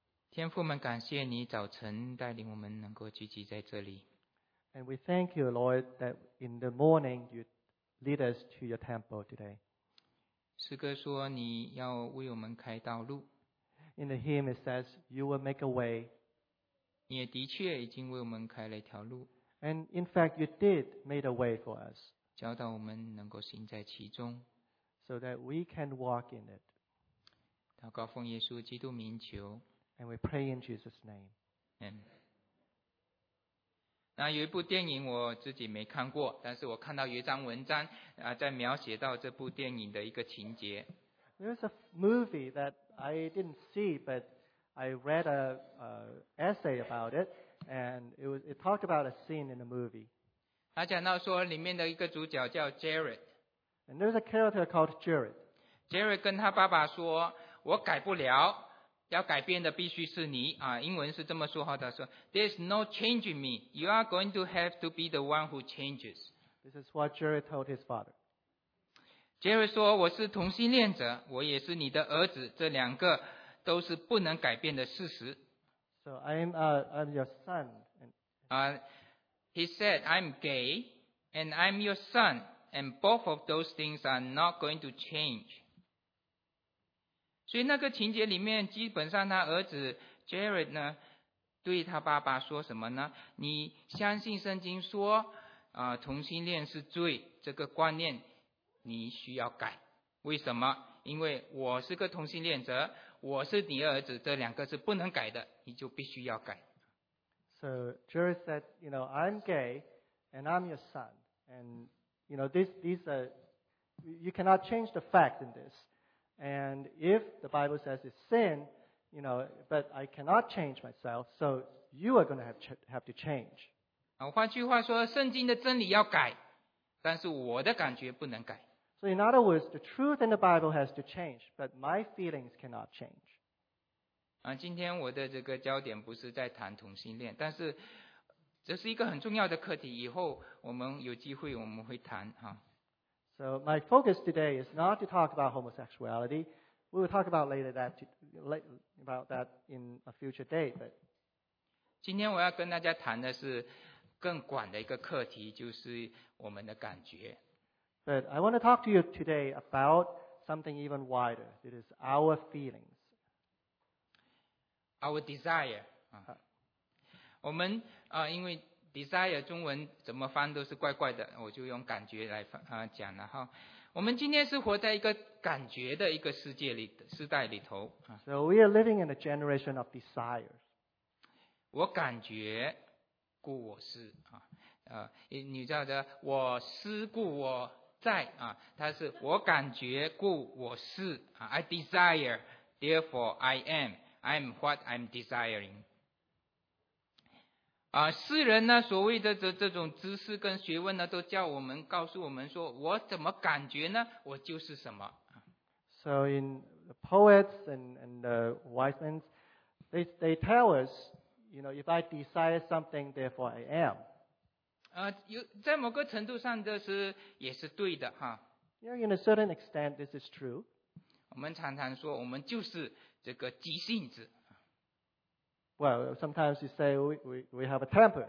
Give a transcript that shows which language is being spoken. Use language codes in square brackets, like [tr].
[zh] 天父们，感谢你早晨带领我们能够聚集在这里。 [en] And we thank you, Lord, that in the morning you lead us to your temple today. [zh] 诗歌说你要为我们开道路。 [en] In the hymn it says you will make a way. [zh] 你也的确已经为我们开了一条路。 [en] And in fact you did made a way for us. [zh] 教导我们能够行在其中。 [en] So that we can walk in it. [zh] 祷告奉耶稣基督名求。 [en] And we pray in Jesus' name. Amen. [zh] 那有一部电影我自己没看过，但是我看到有一张文章在描写到这部电影的一个情节。 [en] There's a movie that I didn't see, but I read an essay about it, and it talked about a scene in the movie. [zh] 他讲到说里面的一个主角叫 Jared. [en] And there's a character called Jared. [zh] Jared 跟他爸爸说，我改不了。要改变的必须是你啊！英文是这么说的，说 [en] "There's no changing me. You are going to have to be the one who changes." This is what Jerry told his father. [zh] Jerry 说：“我是同性恋者，我也是你的儿子，这两个都是不能改变的事实。” [en] So I'm your son. He said, "I'm gay, and I'm your son, and both of those things are not going to change." [zh] 所以那个情节里面基本上他儿子 Jared 呢对他爸爸说什么呢，你相信圣经说同性恋是罪，这个观念你需要改。为什么？因为我是个同性恋者，我是你儿子，这两个是不能改的，你就必须要改。 [en] So Jared said, you know, I'm gay and I'm your son, and you know you cannot change the fact in thisAnd if the Bible says it's sin, you know, but I cannot change myself, so you are going to have to change. [zh] 换句话说，圣经的真理要改，但是我的感觉不能改。 [en] So in other words, the truth in the Bible has to change, but my feelings cannot change. [zh] 今天我的这个焦点不是在谈同性恋，但是这是一个很重要的课题，以后我们有机会我们会谈哈。 [en] So my focus today is not to talk about homosexuality. We will talk about later that about that in a future day. But [zh] 今天我要跟大家谈的是更广的一个课题，就是我们的感觉。 [en] But I want to talk to you today about something even wider. It is our feelings. Our desire. [zh] 我们因为 desire 中文怎么翻都是怪怪的，我就用感觉来讲了哈。我们今天是活在一个感觉的一个世界里，时代里头。 [en] So we are living in a generation of desires. [zh] 我感觉，故我思啊，你知道的，我思故我在啊，它是我感觉故我思啊 ， [en] I desire, therefore I am, I am what I'm desiring。 [zh] 世人呢，所谓的 这种知识跟学问呢，都叫我们告诉我们说，我怎么感觉呢？我就是什么。 [en] So in the poets and the wise men, they tell us, you know, if I desire something, therefore I am. [zh] 在某个程度上，这是也是对的哈。 [en] Yeah, in a certain extent, this is true. [zh] 我们常常说，我们就是这个急性子。 [en] Well, sometimes you say we have a temper.